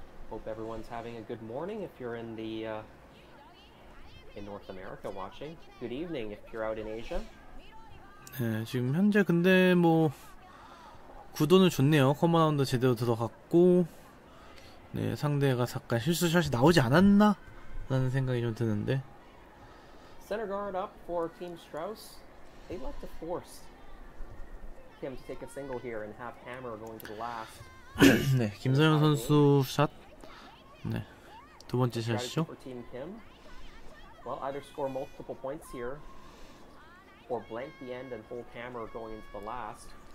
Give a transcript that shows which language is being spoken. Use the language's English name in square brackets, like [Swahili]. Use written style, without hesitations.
[English] Hope everyone's having a good morning if you're in North America watching. Good evening if you're out in Asia. [Korean] 네, 지금 현재 근데 뭐 구도는 좋네요. 커먼 라운드 제대로 들어갔고 네, 상대가 잠깐 실수샷이 나오지 않았나? 라는 생각이 좀 드는데 [English] Center guard up for Team Strauss. They like to force Kim to take a single here and have Hammer going to the last. [Korean] 네, 김서영 선수 샷 네. 두 번째 샷이죠. [English] Well, either score multiple points here or blank the end and hold hammer going into the last.